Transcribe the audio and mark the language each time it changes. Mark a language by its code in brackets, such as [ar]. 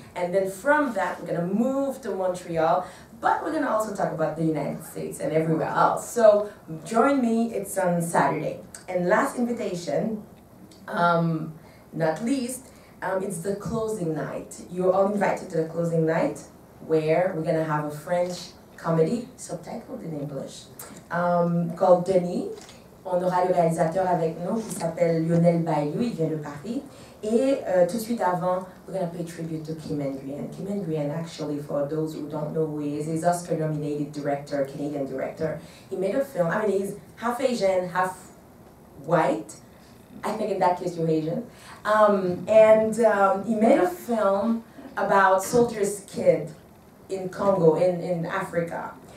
[en] And then from that, we're gonna move to Montreal, but we're gonna also talk about the United States and everywhere else. So join me, it's on Saturday. And last invitation, not least, it's the closing night. You're all invited to the closing night where we're gonna have a French comedy, subtitled in English, called Denis. [fr] On aura le réalisateur avec nous qui s'appelle Lionel Bayou, il vient de Paris. Et tout de suite avant, [en] we're going to pay tribute to Kim Nguyen. Kim Nguyen, actually, for those who don't know who he is Oscar-nominated director, Canadian director. He made a film, I mean, he's half Asian, half white. I think in that case, you're Asian. He made a film about soldiers' kid in Congo, in Africa.